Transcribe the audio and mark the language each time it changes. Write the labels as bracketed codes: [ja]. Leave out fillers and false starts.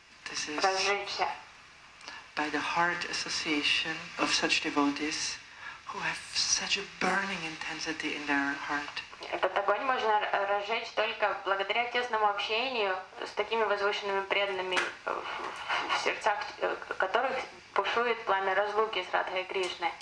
[en] This is [ru] разжечься. [en] By the heart association of such devotees who have such a burning intensity in their heart. [ru] Этот огонь можно разжечь только благодаря тесному общению с такими возвышенными преданными, в сердцах которых бушует пламя разлуки с Радхой Кришной.